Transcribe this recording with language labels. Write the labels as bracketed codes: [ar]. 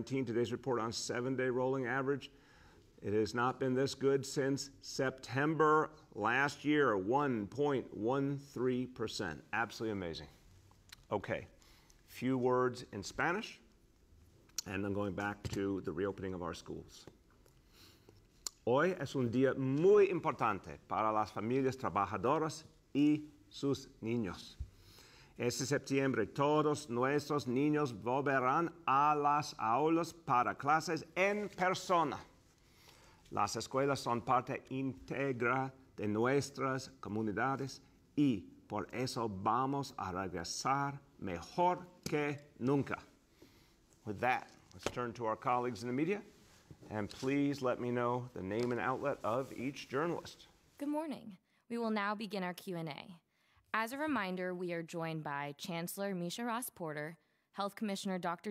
[en] Today's report on seven-day rolling average. It has not been this good since September last year, 1.13%. Absolutely amazing. Okay, few words in Spanish, and I'm going back to the reopening of our schools. [es] Hoy es un día muy importante para las familias trabajadoras y sus niños. Este septiembre, todos nuestros niños volverán a las aulas para clases en persona. Las escuelas son parte íntegra de nuestras comunidades y por eso vamos a regresar mejor que nunca. [en] With that, let's turn to our colleagues in the media, and please let me know the name and outlet of each journalist. Good morning. We will now begin our Q&A. As a reminder, we are joined by Chancellor Misha Ross Porter, Health Commissioner Dr.